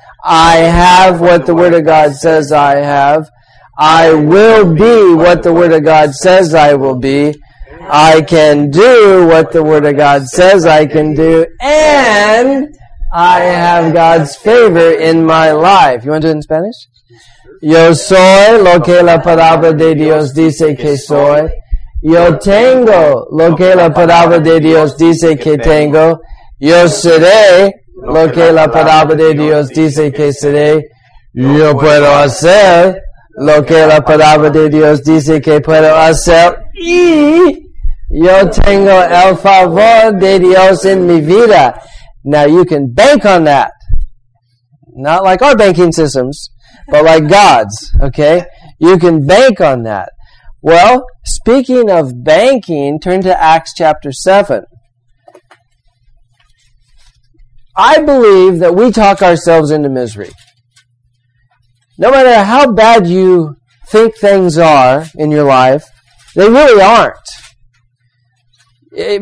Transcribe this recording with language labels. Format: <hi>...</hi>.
<en>I have what the Word of God says I have. I will be what the Word of God says I will be. I can do what the Word of God says I can do. And I have God's favor in my life. You want to do it in Spanish?</en> <es>Yo soy lo que la palabra de Dios dice que soy. Yo tengo lo que la palabra de Dios dice que tengo. Yo seré lo que la palabra de Dios dice que seré. Yo puedo hacer lo que la palabra de Dios dice que puedo hacer. Y yo tengo el favor de Dios en mi vida.</es> <en>Now you can bank on that. Not like our banking systems, but like God's, okay? You can bank on that. Well, speaking of banking, turn to Acts chapter 7. I believe that we talk ourselves into misery. No matter how bad you think things are in your life, they really aren't.</en>